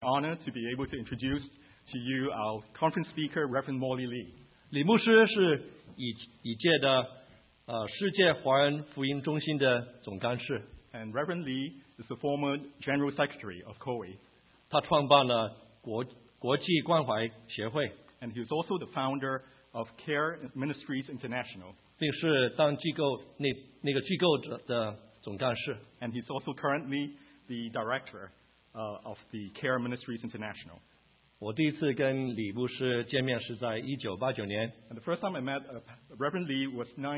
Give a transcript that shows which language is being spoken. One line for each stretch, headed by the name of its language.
English: honor to be able to introduce to you our conference speaker, Reverend Morley Lee.
Chinese: 李牧师是已届的世界华人福音中心的总干事。
English: And Reverend Lee is the former General Secretary of COWI.
Chinese: 他创办了国际关怀协会。
English: And he was also the founder of Care Ministries International.
Chinese: 并是当机构那个机构的总干事。
English: And he's also currently the director of the Care Ministries International.
Chinese: 我第一次跟李牧师见面是在1989年。
English: And the first time I met Reverend Lee was